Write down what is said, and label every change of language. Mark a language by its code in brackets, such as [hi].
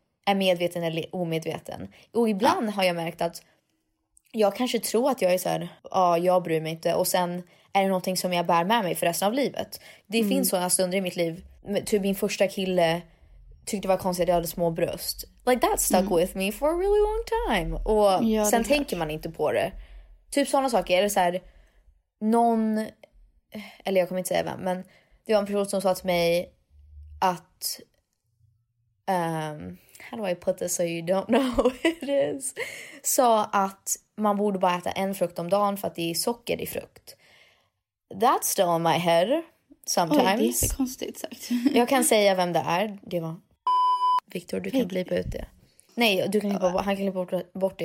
[sv] är medveten eller omedveten. Och ibland har jag märkt att jag kanske tror att jag är så här, jag bryr mig inte. Och sen är det någonting som jag bär med mig för resten av livet. Det finns sådana stunder i mitt liv. Typ min första kille tyckte det var konstigt att jag hade små bröst. [en] Like that stuck with me for a really long time. [sv] Och ja, sen tänker man inte på det. Typ sådana saker. Eller så här, någon, eller jag kommer inte säga vem. Men det var en person som sa till mig att... [en] how do I put this so you don't know who it is? [sv] Sa att man borde bara äta en frukt om dagen för att det är socker i frukt. [en] That's still in my head sometimes. [sv] Oj, det är konstigt sagt. Jag kan säga vem det är. Det var... Victor, du kan bli på ute. Nej, du kan inte han kan klippa bort det.